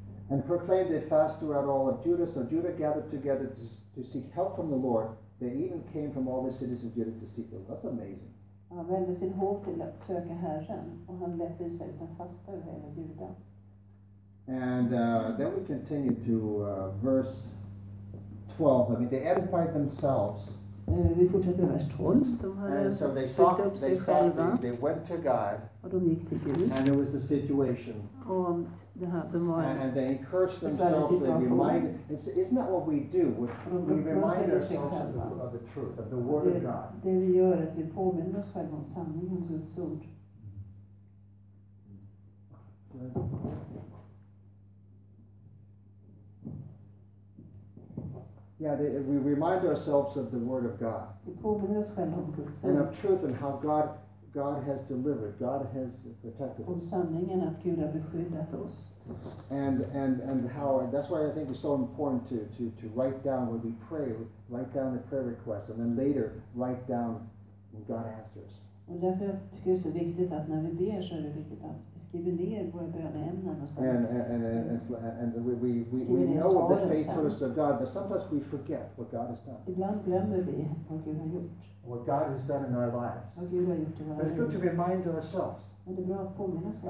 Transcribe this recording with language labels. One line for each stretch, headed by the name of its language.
English: And proclaimed a fast throughout all of Judah. So Judah gathered together to seek help from the Lord. They even came from all the cities of Judah to seek the Lord. That's amazing.
Swedish: Han vände sin håg till att söka Herren, och han lät bysa ut en fasta över hela Judah.
English: And then we continue to verse 12. I mean, they edified themselves.
Swedish: Vi fortsätter vers 12.
English: They went to God.
Swedish: Och de gick till Gud.
English: And there was a situation.
Swedish: Och det här, de var
English: and they encouraged themselves and reminded. Isn't that what we do? We remind ourselves of the truth, of the word of God.
Swedish: Det vi gör är att vi påminner oss själva om sanningen, Guds ord.
English: Yeah, we remind ourselves of the word of God.
Swedish: Vi påminner oss själva om Guds ord.
English: And of truth and how God has delivered. God has protected us.
Swedish: Om sanningen att Gud har beskyddat oss.
English: And how, and that's why I think it's so important to write down when we pray, write down the prayer requests, and then later write down when God answers.
Swedish: Och därför tycker jag det är så viktigt att när vi ber så är det viktigt att vi skriver ner våra böneämnen och så.
English: And we know the faithfulness of God, but sometimes we forget what God has done.
Swedish: Ibland glömmer vi vad Gud har gjort.
English: What God has done in our lives.
Swedish: Vad Gud har gjort i våra liv.
English: It's good to remind ourselves.
Swedish: Det är bra att påminna sig.